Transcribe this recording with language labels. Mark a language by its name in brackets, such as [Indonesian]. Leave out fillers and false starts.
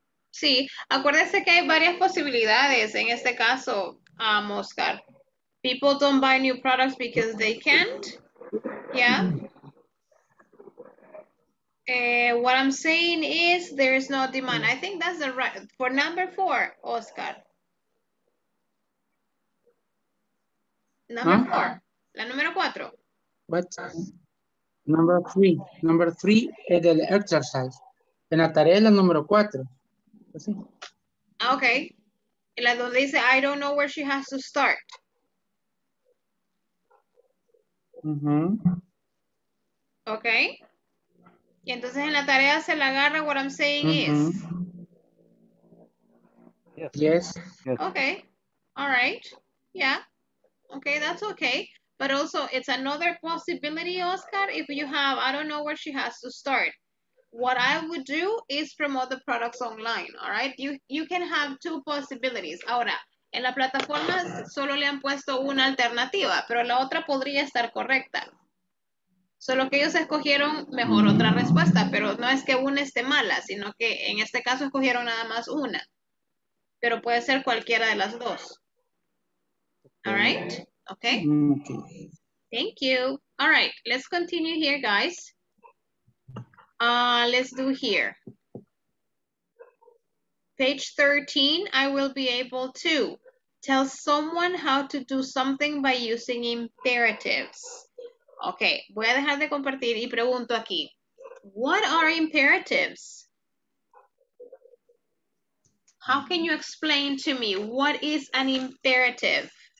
[Spanish] Sí, acuérdese que hay varias posibilidades en este caso, Oscar. [English] People don't buy new products because they can't. Yeah. What I'm saying is there is no demand. I think that's the right for number four, Oscar. Number four. What? Number three, [Spanish] el exercise. En la tarea, la número cuatro. [English] Okay. [Spanish] Y la donde dice, [English] I don't know where she has to start. Mm-hmm. [Spanish] Okay. Y entonces en la tarea se la agarra, [English] what I'm saying [Spanish] mm-hmm. is. [English] Yes. Okay. All right. Yeah. Okay, that's okay. But also, it's another possibility, Oscar, if you have, I don't know where she has to start. What I would do is promote the products online, all right? You can have two possibilities. [Spanish] Ahora, en la plataforma solo le han puesto una alternativa, pero la otra podría estar correcta. Solo que ellos escogieron mejor otra respuesta, pero no es que una esté mala, sino que en este caso escogieron nada más una. Pero puede ser cualquiera de las dos. [English] All right? Okay? Thank you. All right, let's continue here, guys. Let's do here. Page 13, I will be able to tell someone how to do something by using imperatives. [Spanish] Okay, voy a dejar de compartir y pregunto aquí. [English] What are imperatives? How can you explain to me what is an imperative?